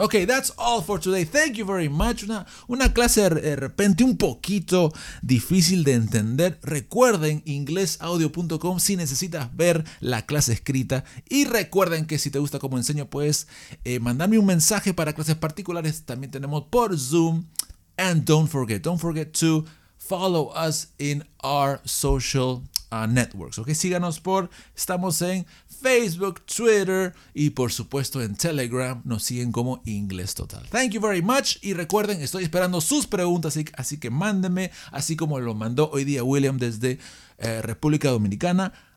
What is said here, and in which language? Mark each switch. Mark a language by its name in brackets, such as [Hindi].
[English] Ok, that's all for today. Thank you very much. [Spanish] Una clase de repente un poquito difícil de entender. Recuerden inglesaudio.com si necesitas ver la clase escrita. Y recuerden que si te gusta cómo enseño, puedes mandarme un mensaje para clases particulares. También tenemos por Zoom. [English] And don't forget to follow us in our social networks. [Spanish] Okay, síganos por, estamos en Facebook, Twitter y por supuesto en Telegram. Nos siguen como Inglés Total. [English] Thank you very much. [Spanish] Y recuerden, estoy esperando sus preguntas, así que mándenme, así como lo mandó hoy día William desde República Dominicana.